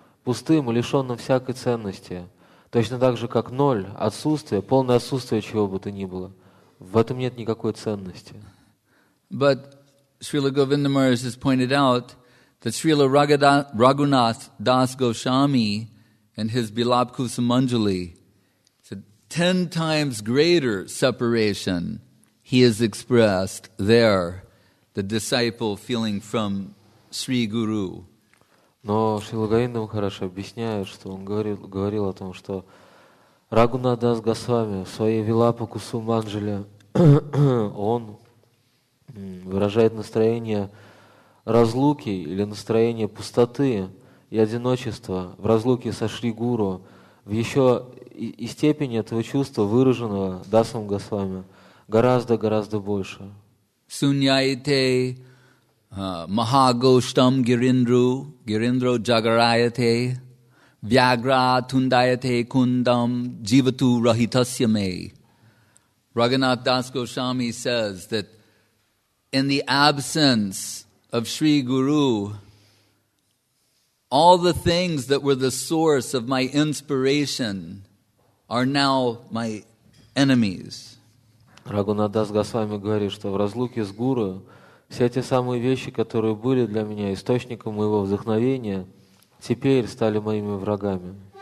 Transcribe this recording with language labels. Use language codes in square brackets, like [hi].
[ru] Пустым, лишенным всякой ценности. Точно так же, как ноль, отсутствие, полное отсутствие чего бы то ни было. В этом нет никакой ценности. [en] But Srila Govinda Maharaj has pointed out that Srila Raghunath Das Goswami and his Bilap Kusum Anjali said 10 times greater separation he has expressed there, the disciple feeling from Sri Guru. [ru] Но Шрила Говинда Махарадж объясняет, что он говорил о том, что Рагунат Дас Госвами в своей Вилапа Кусум Анджали он выражает настроение разлуки или настроение пустоты и одиночества в разлуке со Шри Гуру в еще и степени этого чувства, выраженного Дасом Госвами, гораздо-гораздо больше. [sa] Суньяйте Mahagoshtam Girindru, Girindro Jagarayate, Vyagra Tundayate Kundam, Jivatu Rahitasyame. [en] Raghunath Das Goswami says that in the absence of Sri Guru, all the things that were the source of my inspiration are now my enemies. [ru] Raghunath Das Goswami говорит, что в разлуке с Гуру все те самые вещи, которые были для меня источником моего вдохновения, теперь стали моими врагами.